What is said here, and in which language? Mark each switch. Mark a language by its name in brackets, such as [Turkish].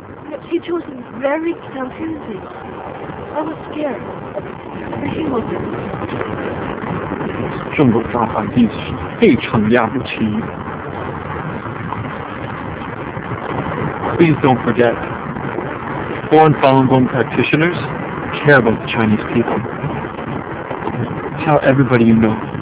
[English] The teacher was very confused. I was scared, but he wasn't. [Chinese] 郑州大法弟子非常了不起。 [English] Please don't forget, foreign Falun Gong practitioners care about the Chinese people. Tell everybody you know.